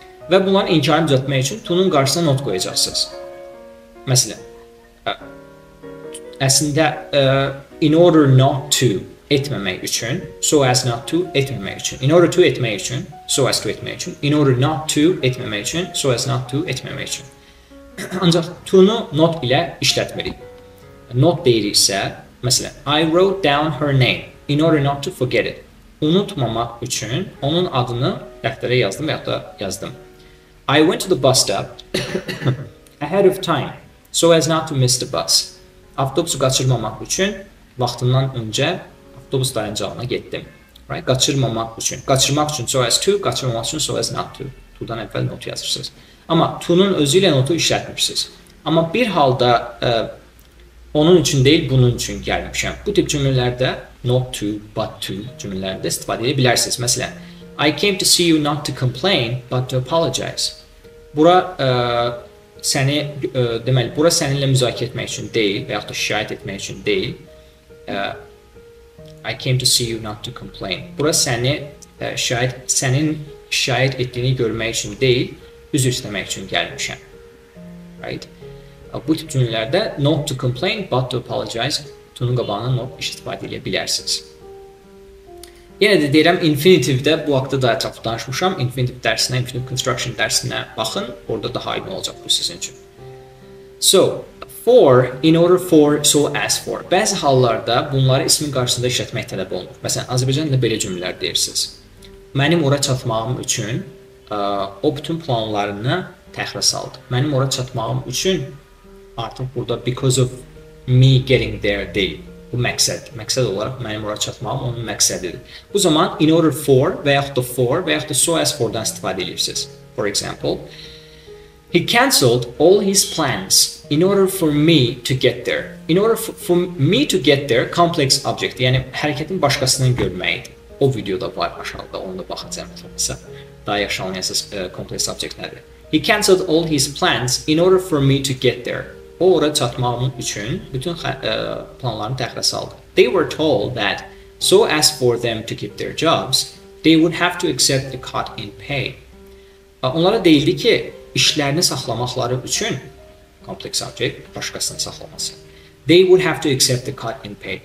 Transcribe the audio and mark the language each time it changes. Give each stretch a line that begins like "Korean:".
Azerbaijani: Və bunların inkarını düzəltmək üçün to-nun qarşısına not qoyacaqsınız. Məsələn, əslində, in order not to etməmək üçün, so as not to etməmək üçün, in order to etmək üçün, so as to etmək üçün, in order not to etməmək üçün, so as not to etməmək üçün. Ancaq to-nu not ilə işlətməliyik. Not deyiriksə, məsələn,
English: I wrote down her name in order not to forget it.
Azerbaijani: Unutmamaq üçün onun adını dəftərə yazdım və yaxud da yazdım.
English: I went to the bus stop ahead of time so as not to miss the bus.
Azerbaijani: Avtobusu qaçırmamaq üçün vaxtından öncə avtobus dayanacağına getdim.
English: Right?
Azerbaijani: Qaçırmamaq üçün. Qaçırmaq üçün so as to, qaçırmamaq üçün so as not to. To-dan əvvəl notu yazırsınız. Amma to-nun özü ilə notu işlətmirsiniz. Amma bir halda onun üçün deyil, bunun üçün gəlmişəm. Bu tip cümlələrdə not to, but to cümlələrdə istifadə edə bilərsiniz. Məsələn,
English: I came to see you not to complain, but to apologize.
Azerbaijani: Bura səni, deməli, bura səninlə müzakirə etmək üçün deyil və yaxud da şikayət etmək üçün deyil.
English: I came to see you not to complain.
Azerbaijani: Bura səni, sənin şikayət etdiyini görmək üçün deyil, üzr istəmək üçün gəlmişəm.
English: Right?
Azerbaijani: Bu tip cümlələrdə
English: not to complain, but to apologize,
Azerbaijani: tunun qabağına not istifadə edə bilərsiniz. Yenə də deyirəm, infinitivdə bu haqda da ətraflı danışmışam. Infinitive dərsinə, infinitive construction dərsinə baxın, orada daha aydın olacaq bu sizin üçün.
English: So, for, in order for, so as for.
Azerbaijani: Bəzi hallarda bunları ismin qarşısında işlətmək tələb olunur. Məsələn, Azərbaycanda belə cümlələr deyirsiniz. Mənim ora çatmağım üçün o bütün planlarını təxirə saldı. Mənim ora çatmağım üçün artıq burada
English: because of me getting there
Azerbaijani: deyil. Bu məqsəd. Məqsəd olaraq mənim ora çatmağım onun məqsədidir. Bu zaman in order for və yaxud da for və yaxud da so as for-dan istifadə edirsiniz.
English: For example, he cancelled all his plans in order for me to get there. In order for me to get there, complex object.
Azerbaijani: Yəni, hərəkətin başqasının görməyidir. O videoda var aşağıda, onu da baxacaq. Məsələn, daha yaxşı anlayasınız, complex object nədir?
English: He cancelled all his plans in order for me to get there.
Azerbaijani: O, ora çatmağım üçün bütün planlarını təxirə saldı.
English: They were told that so as for them to keep their jobs, they would have to accept a cut in pay.
Azerbaijani: Onlara deyildi ki, işlərini saxlamaqları üçün, complex object, başqasını saxlaması.
English: They would have to accept a cut in pay.